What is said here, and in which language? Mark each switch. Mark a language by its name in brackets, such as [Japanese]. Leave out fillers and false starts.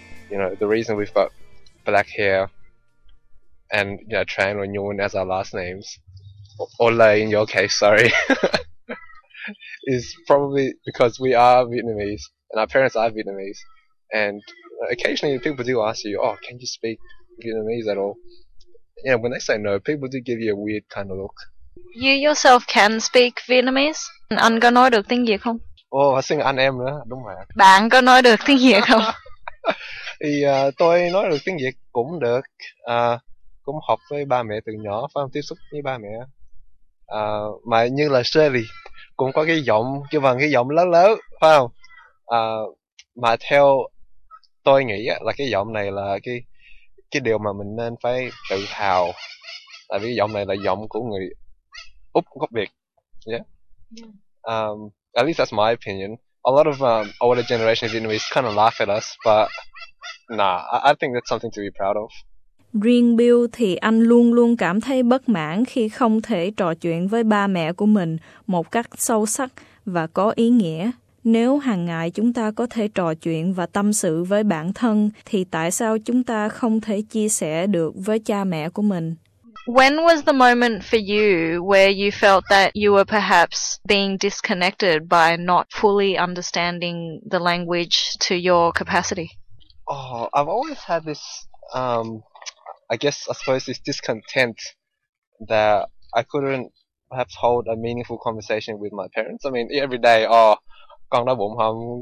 [English] You know, the reason we've got black hair and, you know, Tran or Nguyen as our last names, or Le in your case, sorry, is probably because we are Vietnamese and our parents are Vietnamese. And occasionally people do ask you, oh, can you speak Vietnamese at all? You know, when they say no, people do give you a weird kind of look. You yourself can speak Vietnamese? [Vietnamese] Anh có nói được tiếng Việt không? [English] Oh, I think [Vietnamese] anh em nữa, đúng rồi. Bạn có nói được tiếng Việt không? Thì tôi nói được tiếng Việt cũng được, cũng học với ba mẹ từ nhỏ, phải tiếp xúc với ba mẹ. Mà như là Shirley cũng có cái giọng, chứ bằng cái giọng lớn lớn, phải không? Mà theo tôi nghĩ là cái giọng này là cái điều mà mình nên phải tự hào, tại vì giọng này là giọng của người Úc gốc Việt. [English] At least that's my opinion. A lot of older generation Vietnamese kind of laugh at us, but nah, I think that's something to be proud of. [Vietnamese] Riêng Bill thì anh luôn luôn cảm thấy bất mãn khi không thể trò chuyện với ba mẹ của mình một cách sâu sắc và có ý nghĩa. Nếu hàng ngày chúng ta có thể trò chuyện và tâm sự với bản thân, thì tại sao chúng ta không thể chia sẻ được với cha mẹ của mình? [English] When was the moment for you where you felt that you were perhaps being disconnected by not fully understanding the language to your capacity? Oh, I've always had this, this discontent that I couldn't perhaps hold a meaningful conversation with my parents. I mean, every day, oh, [Vietnamese] con đói bụng không?